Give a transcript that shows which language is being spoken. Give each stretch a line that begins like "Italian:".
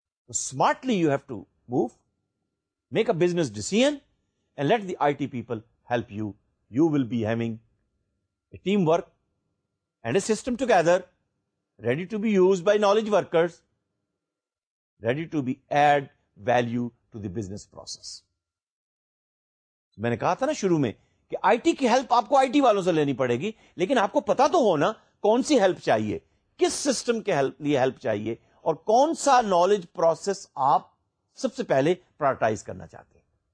English: So smartly you have to move, make a business decision, and let the IT people help you. You will be having a teamwork and a system together, ready to be used by knowledge workers, ready to be add value to the business process.
Urdu: میں نے کہا تھا نا شروع میں کہ I T کی help آپ کو آئی ٹی والوں سے لینی پڑے گی, لیکن آپ کو پتا تو ہونا کون سی ہیلپ چاہیے, کس سسٹم کے لیے ہیلپ چاہیے, اور کون سا نالج پروسیس آپ سب سے پہلے پرائرٹائز کرنا چاہتے ہیں.